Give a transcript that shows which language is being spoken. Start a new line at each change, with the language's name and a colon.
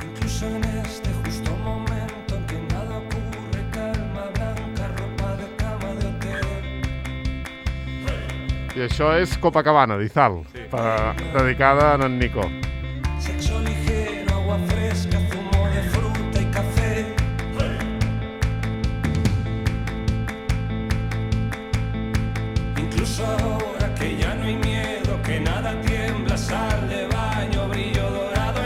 Spanish: Incluso en este justo momento en que nada ocurre, calma blanca, ropa de cama de hotel.
Catalan: I això és Copacabana, d'Izal, dedicada a en Nico.
Spanish: Sexo ligero, agua fresca, zumo de fruta y café. Incluso ahora que ya no hay miedo, que nada tiembla, sal de baño, brillo dorado.